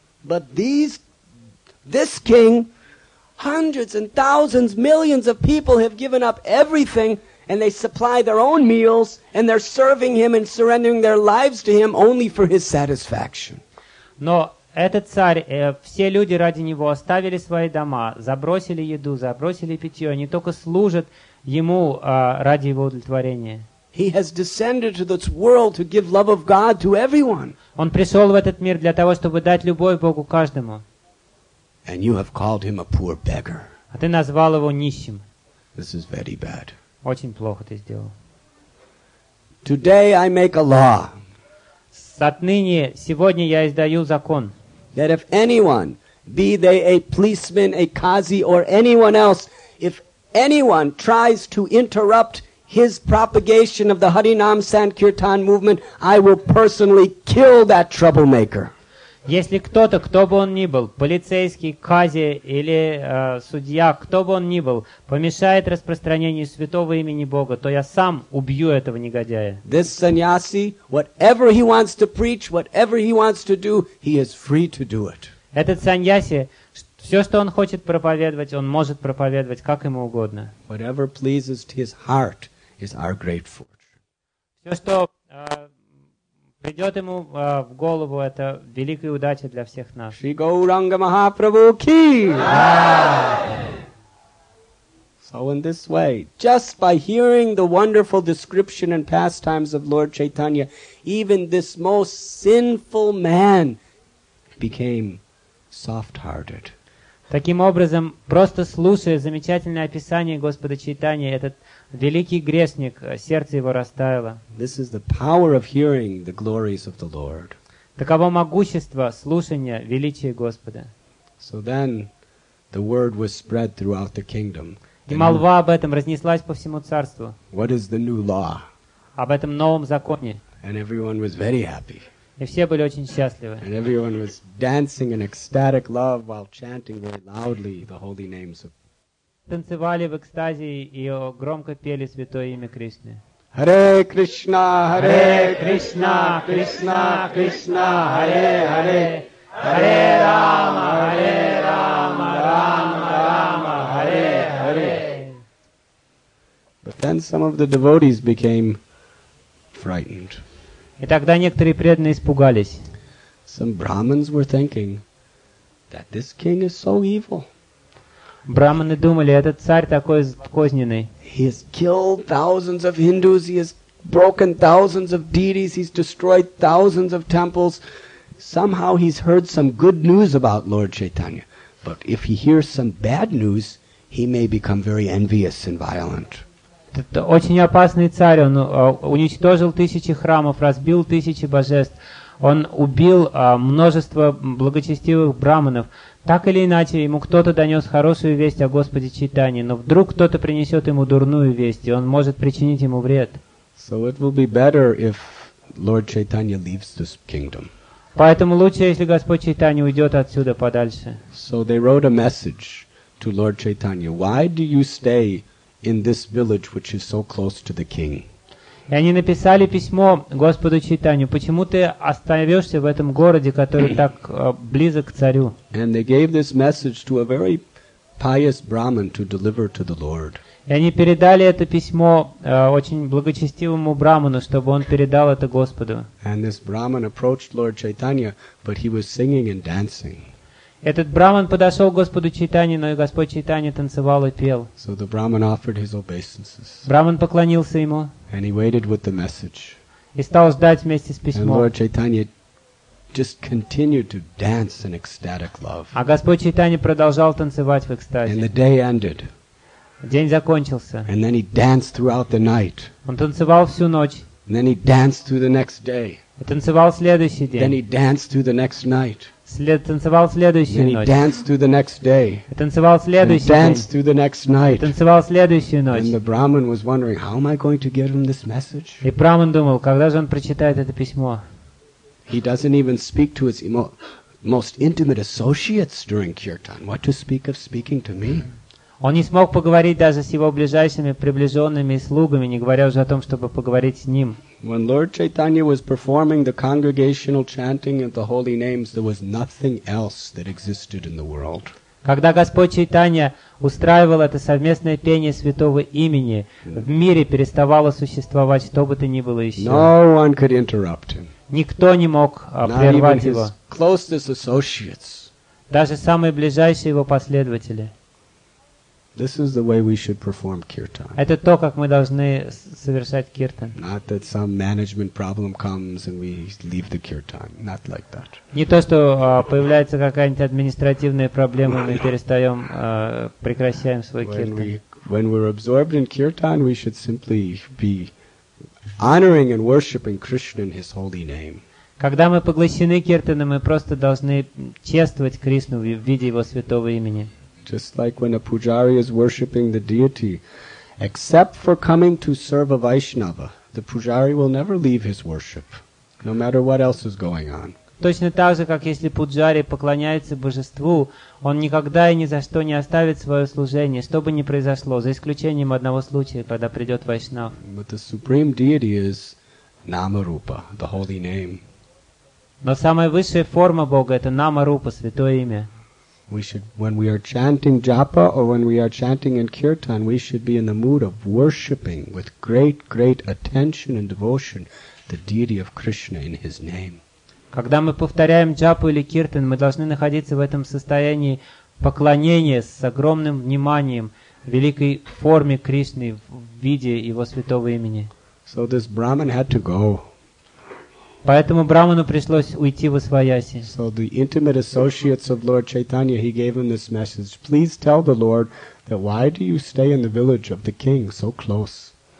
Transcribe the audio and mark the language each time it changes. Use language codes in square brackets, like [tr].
[en] But this king, hundreds and thousands, millions of people have given up everything and they supply their own meals and they're serving him and surrendering their lives to him only for his satisfaction. [ru] Но этот царь, все люди ради него оставили свои дома, забросили еду, забросили питье, они только служат ему ради его удовлетворения. [en] He has descended to this world to give love of God to everyone. [ru] Он пришел в этот мир для того, чтобы дать любовь Богу каждому. [en] And you have called him a poor beggar. [ru] А ты назвал его нищим. [en] This is very bad. [ru] Очень плохо ты сделал. [en] Today I make a law. [ru] Отныне, сегодня я издаю закон. [en] That if anyone, be they a policeman, a qazi, or anyone else, if anyone tries to interrupt his propagation of the Harinam Sankirtan movement, I will personally kill that troublemaker. [ru] Если кто-то, кто бы он ни был, полицейский, кази или судья, кто бы он ни был, помешает распространению святого имени Бога, то я сам убью этого негодяя. [en] This sannyasi, whatever he wants to preach, whatever he wants to do, he is free to do it. [ru] Этот саньяси, все, что он хочет проповедовать, он может проповедовать, как ему угодно. [en] Whatever pleases his heart is our great fortune. [ru] Все, что придет ему в голову, это великая удача для всех нас. Шри Гауранга Махапрабху ки! [en] So in this way, just by hearing the wonderful description and pastimes of Lord Chaitanya, even this most sinful man became soft-hearted. [ru] Таким образом, просто слушая замечательное описание Господа Чайтаньи, этот великий грешник, сердце его растаяло. [en] This is the power of hearing the glories of the Lord. [ru] Таково могущество слушания величия Господа. [en] So then the word was spread throughout the kingdom. [ru] И молва об этом разнеслась по всему царству. [en] What is the new law? [ru] Об этом новом законе. [en] And everyone was very happy. [ru] И все были очень счастливы. [en] And everyone was dancing in ecstatic love while chanting very loudly the holy names of. [ru] Танцевали в экстазе и громко пели святое имя Кришны. [sa] Харе Кришна, Харе Кришна, Кришна Кришна, Харе Харе, Харе Рама, Харе Рама, Рама Рама, Харе Харе. [en] But then some of the devotees became frightened. [ru] И тогда некоторые преданные испугались. [en] Some Brahmins were thinking that this king is so evil. [ru] Брахманы думали, этот царь такой козненный. [en] He has killed thousands of Hindus, he has broken thousands of deities, he's destroyed thousands of temples. Somehow he's heard some good news about Lord Chaitanya. But if he hears some bad news, he may become very envious and violent. [ru] Это очень опасный царь, он уничтожил тысячи храмов, разбил тысячи божеств, он убил множество благочестивых брахманов. Так или иначе, ему кто-то донес хорошую весть о Господе Чайтанье, но вдруг кто-то принесет ему дурную весть, и он может причинить ему вред. [en] So it will be better if Lord Chaitanya leaves this kingdom. [ru] Поэтому лучше, если Господь Чайтанья уйдет отсюда подальше. [en] So they wrote a message to Lord Chaitanya. Why do you stay in this village which is so close to the king? [ru] И они написали письмо Господу Чайтанье: почему ты остаешься в этом городе, который так близок к царю? [en] And they gave this message to a very pious Brahmin to deliver to the Lord. [ru] И они передали это письмо очень благочестивому брахману, чтобы он передал это Господу. [en] And this Brahmin approached Lord Chaitanya, but he was singing and dancing. [ru] Этот брахман подошел к Господу Чайтанье, но и Господь Чайтанье танцевал и пел. [en] So the Brahmin offered his obeisances. [ru] Брахман поклонился ему. [en] And he waited with the message. [ru] И стал ждать вместе с письмом. [en] And Lord Chaitanya just continued to dance in ecstatic love. [ru] А Господь Чайтанье продолжал танцевать в экстазе. [en] And the day ended. [ru] День закончился. [en] And then he danced throughout the night. [ru] Он танцевал всю ночь. [en] And then he danced through the next day. [ru] И танцевал следующий день. [en] Then he danced through the next night. [ru] Танцевал следующую ночь. [en] And he danced through the next day. [ru] Танцевал следующий день. [en] And danced through the next night. [ru] Танцевал следующую ночь. [en] And the Brahmin was wondering, how am I going to give him this message? [ru] И брахман думал, когда же он прочитает это письмо? [en] He doesn't even speak to his most intimate associates during kirtan. What to speak of speaking to me? [ru] Он не смог поговорить даже с его ближайшими приближенными и слугами, не говоря уже о том, чтобы поговорить с ним. [en] When Lord Chaitanya was performing the congregational chanting of the holy names, there was nothing else that existed in the world. [ru] Когда Господь Чайтанья устраивал это совместное пение святого имени, в мире переставало существовать что бы то ни было еще. [en] No one could interrupt him. [ru] Никто не мог прервать его. [en] Not even his closest associates. [ru] Даже самые ближайшие его последователи. [en] This is the way we should perform kirtan. [ru] Это то, как мы должны совершать киртан. [en] Not that some management problem comes and we leave the kirtan. Not like that. [ru] Не то, что появляется какая-нибудь административная проблема, мы перестаем, прекращаем свой киртан. [en] When we're absorbed in kirtan, we should simply be honoring and worshiping Krishna in His holy name. [ru] Когда мы поглощены киртаном, мы просто должны чествовать Кришну в виде Его святого имени. [en] Just like when a pujari is worshiping the deity, except for coming to serve a Vaishnava, the pujari will never leave his worship, no matter what else is going on. [ru] Точно так же, как если пуджари поклоняется божеству, он никогда и ни за что не оставит свое служение, что бы ни произошло, за исключением одного случая, когда придет Вайшнав. [en] But the supreme deity is Namarupa, the holy name. [ru] Но самая высшая форма Бога — это Намарупа, святое имя. [en] We should, when we are chanting japa or when we are chanting in kirtan, we should be in the mood of worshipping with great, great attention and devotion the deity of Krishna in His name. [ru] Когда мы повторяем джапу или киртан, мы должны находиться в этом состоянии поклонения с огромным вниманием великой форме Кришны в виде Его святого имени. [en] So this Brahman had to go. [ru] Поэтому Брахману пришлось уйти во свояси. [en] So the intimate associates of Lord Chaitanya, he gave him this message. Please tell the Lord that why do you stay in the village of the king so close?